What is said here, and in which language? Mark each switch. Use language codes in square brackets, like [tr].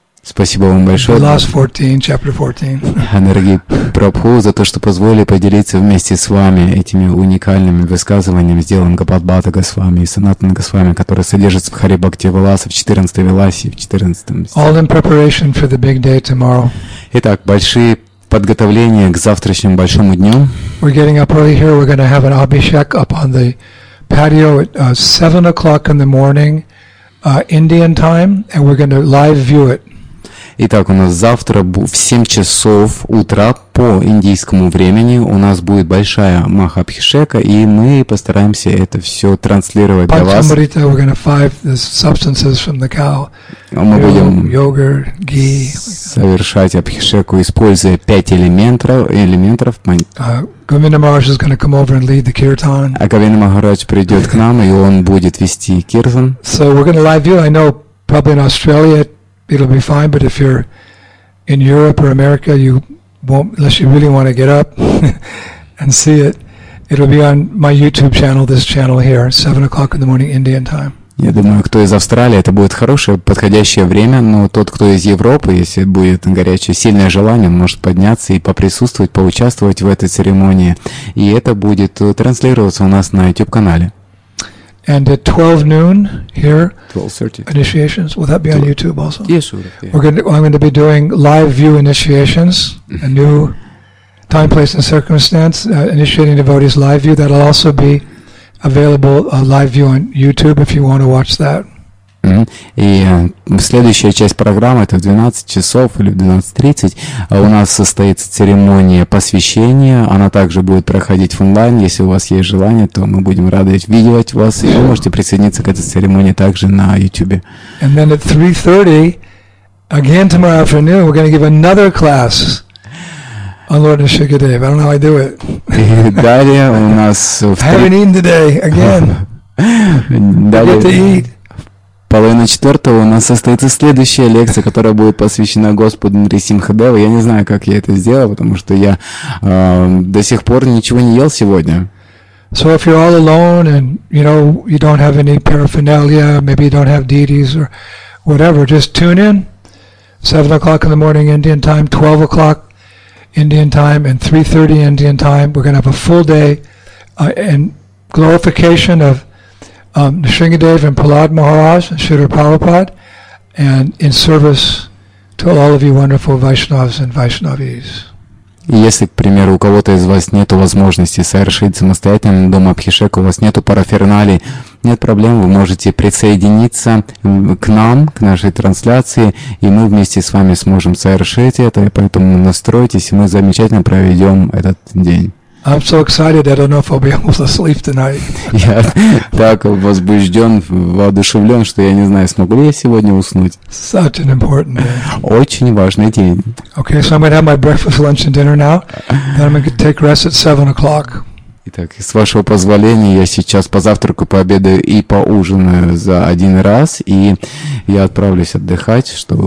[ru] Спасибо вам большое. [en] Vilas 14, chapter 14. [ru] Дорогие Прабху, за то, что позволили поделиться вместе с вами этими уникальными высказываниями, сделанными Гопабхата Госвами и Санатана Госвами, которые содержатся в Хари Бхакти Виласа, в 14 Виласе, в 14 стихе. [en] All in preparation for the big day tomorrow. [ru] Итак, большие подготовления к завтрашнему большому дню. [en] We're getting up early here. We're going to have an abhishek up on the patio at 7 o'clock in the morning. Indian time, and we're going to live view it. [ru] Итак, у нас завтра в 7 часов утра по индийскому времени у нас будет большая Махабхишека, и мы постараемся это все транслировать для вас. Панчамрита, [en] we're going to five the substances from the cow. [ru] Мы будем йогурт, ги. Совершать Абхишеку, используя 5 элементов. [en] Govinda Maharaj is going to come over and lead the kirtan. [ru] А Говинда Махарадж придет к нам, и он будет вести киртан. [en] So we're going to live view. I know probably in Australia it'll be fine, but if you're in Europe or America, you won't, unless you really want to get up and see it. It'll be on my YouTube channel, this channel here, 7 o'clock in the morning Indian time. Я думаю, кто из Австралии, это будет хорошее подходящее время, но тот, кто из Европы, если будет горячее сильное желание, может подняться и поприсутствовать, поучаствовать в этой церемонии, и это будет транслироваться у нас на YouTube канале. And at 12 noon here, 12:30. Initiations, will that be on YouTube also? Yes, sir. Yeah. I'm going to be doing live view initiations, a new time, place, and circumstance, initiating devotees live view. That'll also be available, a live view on YouTube if you want to watch that. Mm-hmm. [ru] И следующая часть программы, это в 12 часов или в 12:30, у нас состоится церемония посвящения, она также будет проходить в онлайн, если у вас есть желание, то мы будем рады видеть вас, и вы можете присоединиться к этой церемонии также на YouTube. [en] And then at 3:30, again tomorrow afternoon, we're going to give another class. On Lord and Shukadev. I don't know how I do it. [ru] Далее у нас... [en] I haven't eaten today, again. [ru] Далее, [en] I get to eat. [ru] Половина четвертого у нас состоится следующая лекция, которая будет посвящена Господу Нарисимхадеву. Я не знаю, как я это сделал, потому что я до сих пор ничего не ел сегодня. [en] So if you're all alone and, you know, you don't have any paraphernalia, maybe you don't have deities or whatever, just tune in. 7 o'clock in the morning Indian time, 12 o'clock Indian time and 3:30 Indian time. We're going to have a full day and glorification of Nrisimhadev and Prahlad Maharaj and Sridhar Prabhupada and in service to all of you wonderful Vaishnavas and Vaishnavis. [ru] Если, к примеру, у кого-то из вас нет возможности совершить самостоятельно дома Абхишек, у вас нет параферналии, нет проблем, вы можете присоединиться к нам, к нашей трансляции, и мы вместе с вами сможем совершить это, и поэтому настройтесь, и мы замечательно проведем этот день. [en] I'm so excited, I don't know if I'll be able to sleep tonight. [ru] Я так возбужден, воодушевлен, что я не знаю, смогу ли я сегодня уснуть. [en] Such an important day. [ru] Очень важный день. [en] Okay, so I'm going to have my breakfast, lunch and dinner now, then I'm going to take rest at 7 o'clock. [ru] Итак, с вашего позволения, я сейчас позавтракаю, пообедаю и поужинаю за один раз, и я отправлюсь отдыхать, чтобы